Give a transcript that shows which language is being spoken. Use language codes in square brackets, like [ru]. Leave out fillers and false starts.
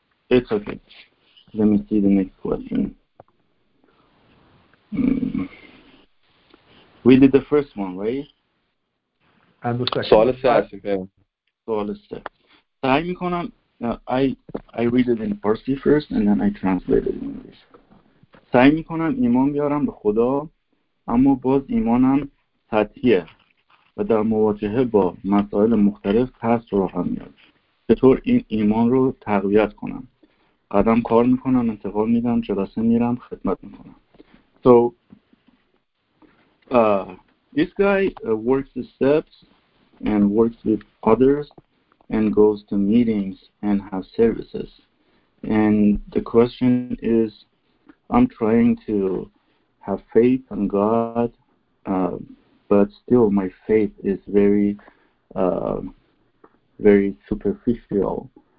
[en] It's okay. Let me see the next question. We did the first one, right? And the second. [fa] Solisa. Sahi mikonam. [en] I read it in Farsi first and then I translate it in English. [fa] سعی میکنم ایمان بیارم به خدا اما باز ایمانم سطحیه و در مواجهه با مسائل مختلف ترس رو هم میاد. چطور این ایمان رو تقویت کنم؟ قدم کار میکنم، انتقال میدم، جلسه میرم، خدمت میکنم. [en] So this guy works the steps and works with others and goes to meetings and has services. And the question is, I'm trying to have faith in God, but still my faith is very, very superficial.